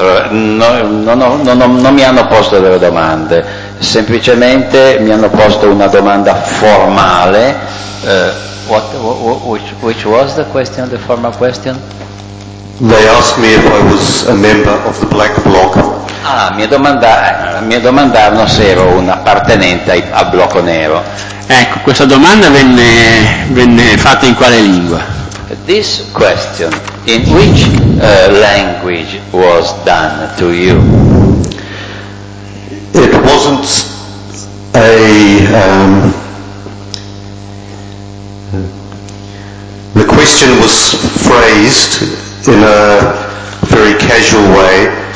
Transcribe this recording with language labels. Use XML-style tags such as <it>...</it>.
<it>Non mi hanno posto delle domande, semplicemente mi hanno posto una domanda formale.</it> <en>Which was the question, the formal question? They asked me if I was a member of the Black Bloc.</en> <it>Ah, mi domandarono se ero un appartenente al blocco nero. Ecco, questa domanda venne fatta in quale lingua?</it> <en>This question, in which language was done to you? It wasn't a the question was phrased in a very casual way.</en>